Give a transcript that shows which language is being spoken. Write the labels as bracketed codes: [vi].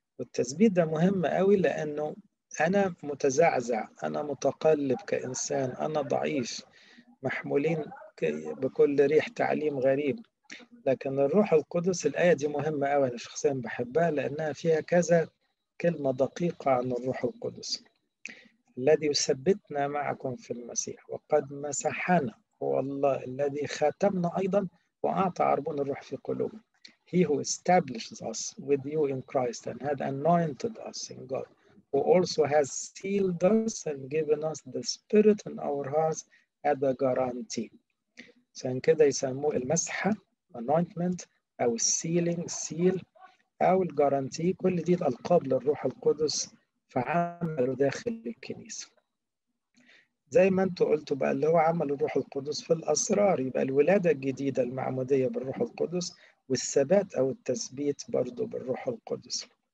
[ar] والتثبيت ده مهم قوي، لأنه أنا متزعزع، أنا متقلب كإنسان، أنا ضعيف، محمولين بكل ريح تعليم غريب، لكن الروح القدس، الآية دي مهمة قوي، أنا شخصيا بحبها لأنها فيها كذا كلمة دقيقة عن الروح القدس. الذي يثبتنا معكم في المسيح وقد مسحنا، هو الله الذي ختمنا أيضا وأعطى عربون الروح في قلوبنا. [en] He who established us with you in Christ and had anointed us in God, who also has sealed us and given us the Spirit in our hearts as a guarantee. [ar] عشان كده يسموه المسحة, anointment, أو sealing, seal, أو guarantee. كل دي الألقاب للروح القدس في عمله داخل الكنيسة. زي ما انتوا قلتوا بقى اللي هو عمل الروح القدس في الأسرار, يبقى الولادة الجديدة المعمودية بالروح القدس والثبات أو التثبيت برضو بالروح القدس.